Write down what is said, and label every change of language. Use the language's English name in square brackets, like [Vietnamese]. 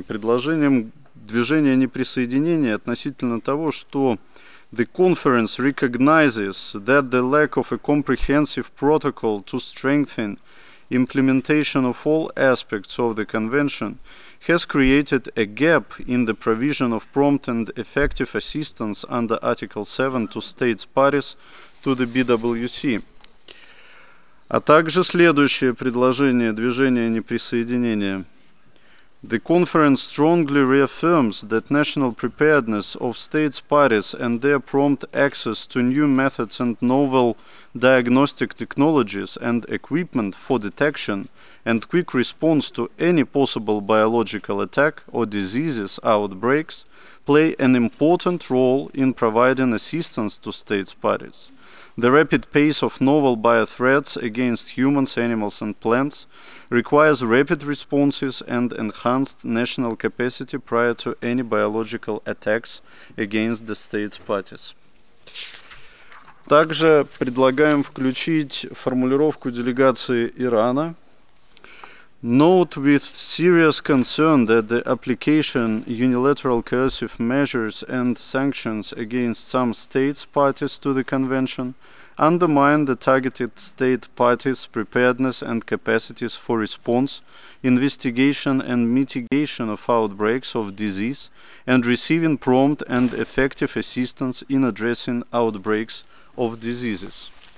[Russian] Предложением движения неприсоединения относительно того, что [English] «The conference recognizes that the lack of a comprehensive protocol to strengthen implementation of all aspects of the convention has created a gap in the provision of prompt and effective assistance under Article 7 to states parties to the BWC». [Russian] А также следующее предложение движения неприсоединения. [English] «The conference strongly reaffirms that national preparedness of states parties and their prompt access to new methods and novel diagnostic technologies and equipment for detection and quick response to any possible biological attack or diseases outbreaks play an important role in providing assistance to states parties. The rapid pace of novel biothreats against humans, animals, and plants requires rapid responses and enhanced national capacity prior to any biological attacks against the states parties». [Russian] Также предлагаем включить формулировку делегации Ирана. [English] «Note with serious concern that the application unilateral coercive measures and sanctions against some states parties to the convention undermine the targeted state parties' preparedness and capacities for response, investigation and mitigation of outbreaks of disease, and receiving prompt and effective assistance in addressing outbreaks of diseases».